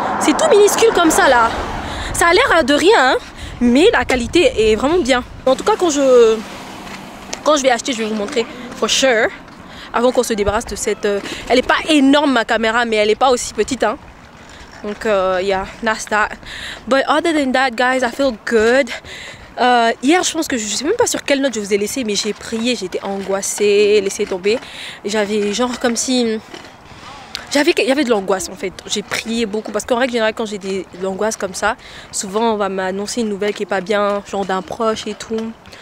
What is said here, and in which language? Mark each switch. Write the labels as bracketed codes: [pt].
[fr] C'est tout minuscule comme ça là. Ça a l'air de rien hein, mais la qualité est vraiment bien. En tout cas quand je vais acheter, je vais vous montrer [en] for sure [fr] avant qu'on se débarrasse de cette elle est pas énorme ma caméra, mais elle est pas aussi petite hein. [en] Donc yeah, that's that. But other than that guys, I feel good. [fr] Hier je pense que je sais même pas sur quelle note je vous ai laissé, mais j'ai prié, j'étais angoissée, laissée tomber. J'avais genre comme si il y avait de l'angoisse en fait. J'ai prié beaucoup parce qu'en règle générale quand j'ai de l'angoisse comme ça, souvent on va m'annoncer une nouvelle qui est pas bien, genre d'un proche et tout.